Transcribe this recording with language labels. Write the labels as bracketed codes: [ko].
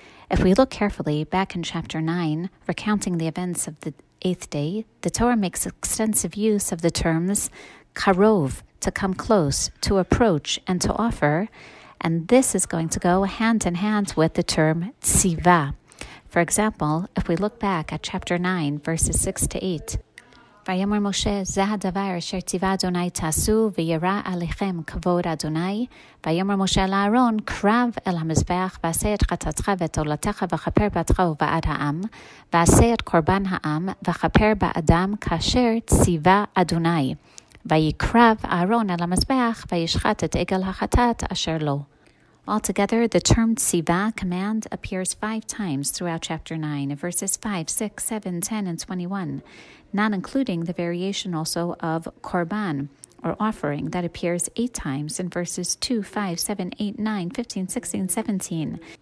[en] If we look carefully back in chapter 9, recounting the events of the eighth day, the Torah makes extensive use of the terms karov, to come close, to approach, and to offer, and this is going to go hand in hand with the term tziva. For example, if we look back at chapter 9, verses 6 to 8, [he] ויאמר משה, זה הדבר אשר ציווה אדוני תעשו, ויראה עליכם כבוד אדוני. ויאמר משה לאהרון, קרב אל המזבח, ועשה את חטאתך ואת עולתך, וכפר בעדך ובעד העם, ועשה את קורבן העם, וכפר באדם כאשר ציווה אדוני. ויקרב אהרון אל המזבח, וישחט את עגל החטאת אשר לו. [en] Altogether, the term tziva, command, appears 5 times throughout chapter 9, verses 5, 6, 7, 10, and 21, not including the variation also of korban, or offering, that appears 8 times in verses 2, 5, 7, 8, 9, 15, 16, 17.